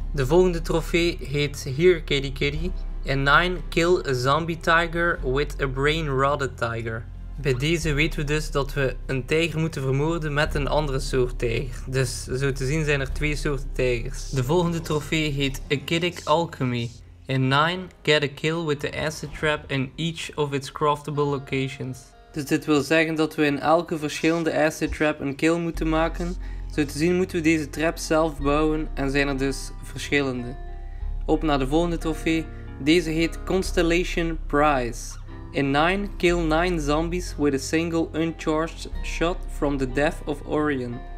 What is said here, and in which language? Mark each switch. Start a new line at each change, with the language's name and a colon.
Dutch: De volgende trofee heet
English: Here Kitty Kitty. In 9, kill a zombie tiger with a brain-rotted tiger.
Dutch: Bij deze weten we dus dat we een tijger moeten vermoorden met een andere soort tijger. Dus zo te zien zijn er 2 soorten tijgers. De volgende trofee heet Akidic Alchemy.
English: In 9, get a kill with the acid trap in each of its craftable locations.
Dutch: Dus dit wil zeggen dat we in elke verschillende acid trap een kill moeten maken. Zo te zien moeten we deze trap zelf bouwen en zijn er dus verschillende. Op naar de volgende trofee. Deze heet Constellation Prize.
English: In 9, kill 9 zombies with a single uncharged shot from the Death of Orion.